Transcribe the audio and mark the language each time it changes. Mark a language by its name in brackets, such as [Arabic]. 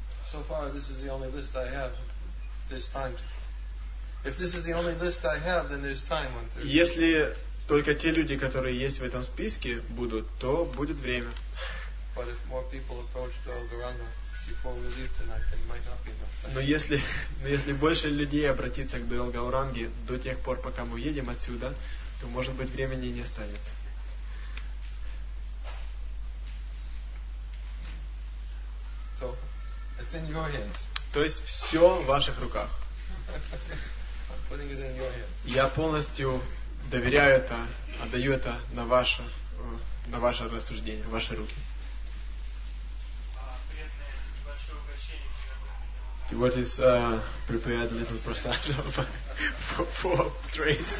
[English] So far, this is the only list I have. There's time. If this is the only list I have, then there's time. [Russian] Если только те люди, которые есть в этом списке, будут, то будет время. [English] But if more people approach to Gauranga before we leave tonight, then it might not be enough time. [Russian] Но если больше людей обратиться к Дуэл Гауранге до тех пор, пока мы уедем отсюда, то, может быть, времени не останется. [English] So, it's in your hands. [Russian] То есть все в ваших руках. [English] I'm putting it in your hands. [Russian] Я полностью доверяю это, отдаю это на ваше рассуждение, в ваши руки. [English] What is prepared a little prasad for Trace.